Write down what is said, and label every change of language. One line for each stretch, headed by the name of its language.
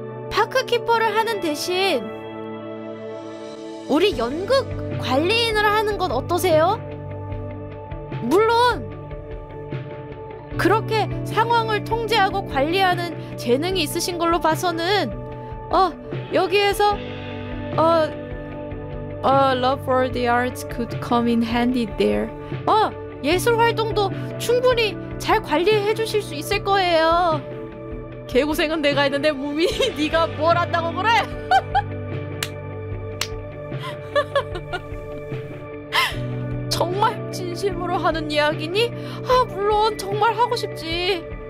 Korean: 파크키퍼를 하는 대신 우리 연극 관리인을 하는 건 어떠세요? 물론 그렇게 상황을 통제하고 관리하는 재능이 있으신 걸로 봐서는 여기에서
English: Love for the arts could come in handy there.
Korean: 예술 활동도 충분히 잘 관리해 주실 수 있을 거예요. 개고생은 내가 했는데 무민이 네가 뭘 한다고 그래? 정말 진심으로 하는 이야기니? 아, 물론 정말 하고 싶지.